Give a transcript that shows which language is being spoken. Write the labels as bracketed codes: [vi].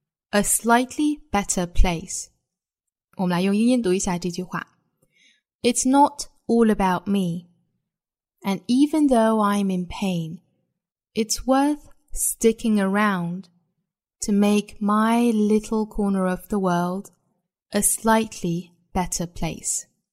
[en] a slightly better place [zh] 我们来用英音读一下这句话 [en] It's not all about me and even though I'm in pain it's worth sticking around to make my little corner of the worldA slightly better place.